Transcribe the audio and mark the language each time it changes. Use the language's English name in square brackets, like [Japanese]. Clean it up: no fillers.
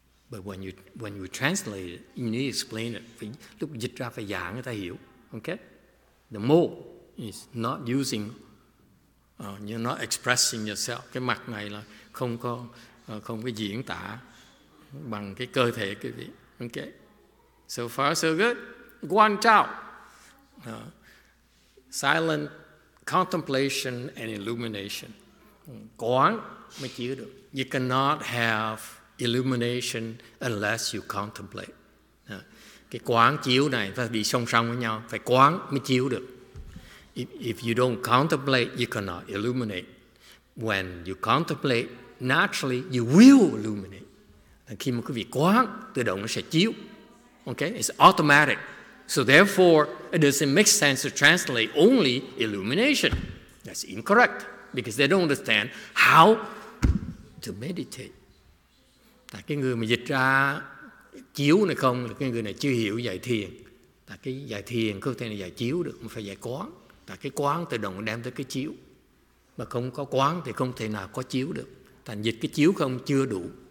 [English] But when you translate it, you need to explain it. [Vietnamese] Lúc dịch ra phải giảng người ta hiểu. [English] Okay, the mo is not using. You're not expressing yourself. [Vietnamese] Cái mặt này là không có diễn tả bằng cái cơ thể quý vị. [English] Okay. So far so good. Guan chao. Silent contemplation and illumination. [Vietnamese] Guan mới chiếu được. [English] You cannot have illumination unless you contemplate. [Vietnamese] Cái quán chiếu này phải đi song song với nhau. Phải quán mới chiếu được. [English] If you don't contemplate, you cannot illuminate. When you contemplate, naturally you will illuminate. [Vietnamese] Khi mà quý vị quán, tự động nó sẽ chiếu. [English] Okay, it's automatic. So therefore, it doesn't make sense to translate only illumination. That's incorrect, because they don't understand how to meditate. [Vietnamese] Tại cái người mà dịch ra chiếu này không, là cái người này chưa hiểu giải thiền. Tại cái giải thiền không thể là giải chiếu được, mà phải giải quán. Tại cái quán tự động đem tới cái chiếu. Mà không có quán thì không thể nào có chiếu được. Thành dịch cái chiếu không chưa đủ.